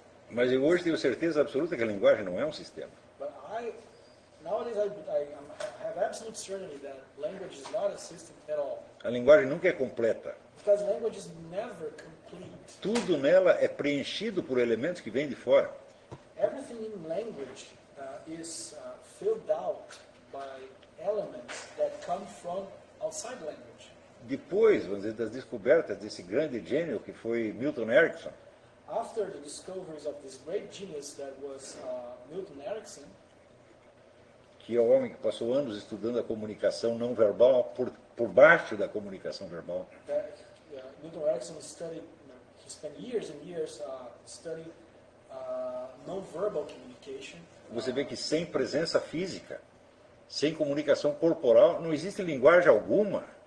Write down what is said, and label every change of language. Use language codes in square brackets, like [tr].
[pt] Mas eu hoje tenho certeza absoluta que a linguagem não é um sistema. [en] But nowadays I have absolute certainty that language is not a system at all. [pt] A linguagem nunca é completa. [en] Because language is never complete. [pt] Tudo nela é preenchido por elementos que vêm de fora. [en] Everything in language is filled out by elements that come from outside language. [pt] Depois, vamos dizer, das descobertas desse grande gênio que foi Milton Erickson. [en] After the discoveries of this great genius that was Milton Erickson, [pt] que é o homem que passou anos estudando a comunicação não verbal por baixo da comunicação verbal. [en] Milton Erickson studied, he spent years and years studying non-verbal communication. [pt] Você vê que sem presença física, sem comunicação corporal, não existe linguagem alguma.